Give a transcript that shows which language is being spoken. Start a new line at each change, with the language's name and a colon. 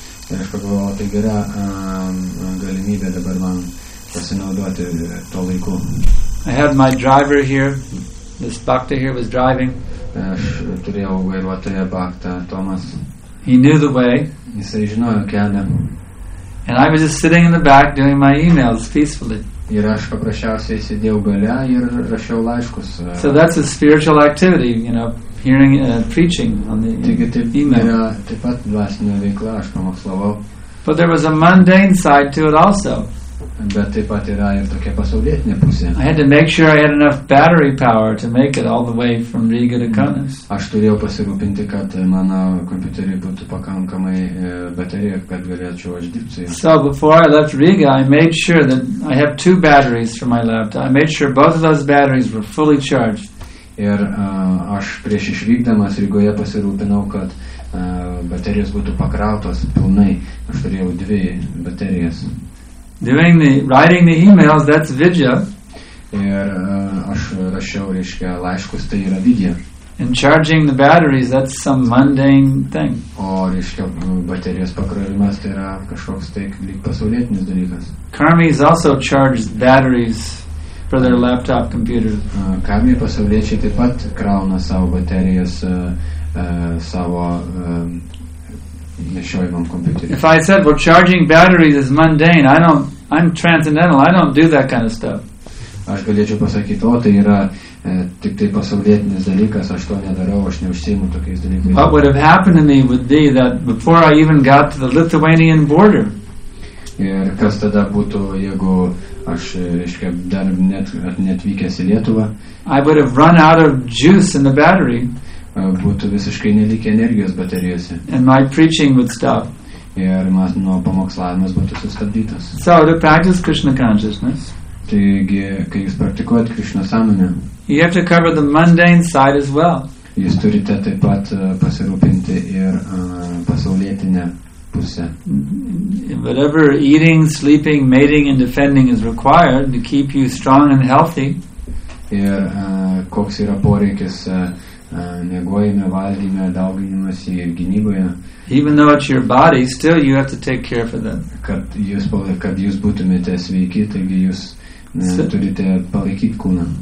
Lithuanian: Ir aš pagalvojau, tai gera galimybė dabar man pasinaudoti to laiku.
English: I had my driver here. This bhakta here was driving.
Lithuanian: Aš turėjau vairuotoją bhaktą Tomas.
English: He knew the way.
Lithuanian: Jisai žinojo kelią.
English: And I was just sitting in the back doing my emails peacefully.
Lithuanian: Ir aš paprasčiausiai sėdėjau gale ir rašiau laiškus.
English: So that's a spiritual activity, you know, hearing preaching on the email.
Lithuanian: Yra taip pat dvasinė veikla, aš pamokslavau.
English: But there was a mundane side to it also.
Lithuanian: Bet taip pat yra ir tokia pasaulietinė pusė.
English: I had to make sure I had enough battery power to make it all the way from Riga to Kaunas.
Lithuanian: Aš turėjau pasirūpinti, kad mano kompiuterį būtų pakankamai baterija, kad galėčiau aš dirbti su ja.
English: So before I left Riga, I made sure that I have two batteries for my laptop. I made sure both of those batteries were fully charged.
Lithuanian: Ir aš prieš išvykdamas Rygoje pasirūpinau, kad baterijos būtų pakrautos pilnai. Aš turėjau dvi baterijas.
English: Doing the writing the emails, that's vidya.
Lithuanian: Ir aš rašiau, reiškia, laiškus, tai yra vidya.
English: And charging the batteries, that's some mundane thing.
Lithuanian: O, reiškia, baterijos pakrovimas, tai yra kažkoks tai pasaulietinis dalykas.
English: Karmis also charge batteries for their laptop computer.
Lithuanian: Karmiai pasauliečiai taip pat krauna savo baterijas savo
English: If I said, well, charging batteries is mundane, I'm transcendental, I don't do that kind of stuff.
Lithuanian: Aš galėčiau pasakyti, o tai yra tik tai pasaulietinis dalykas, aš to nedarau, aš neužsiimu tokiais dalykais.
English: What would have happened to me would be that before I even got to the Lithuanian border.
Lithuanian: Ir kas tada būtų, jeigu aš, reiškia, dar netvykęs į Lietuvą.
English: I would have run out of juice in the battery.
Lithuanian: Būtų visiškai nelikę energijos baterijose.
English: And my preaching would stop.
Lithuanian: Ir mano pamokslavimas būtų sustabdytas.
English: So, to practice Krishna consciousness.
Lithuanian: Taigi, kai jūs praktikuojat Krishna sąmonę,
English: you have to cover the mundane side as well.
Lithuanian: Jūs turite taip pat pasirūpinti ir pasaulietinę pusę.
English: Whatever eating, sleeping, mating and defending is required to keep you strong and healthy.
Lithuanian: Ir koks yra poreikis negojime, valgyme, dauginimuose ir gynyboje.
English: Even though it's your body, still you have to take care for them.
Lithuanian: Kad jūs būtumėte sveiki, taigi jūs turite palaikyti kūną.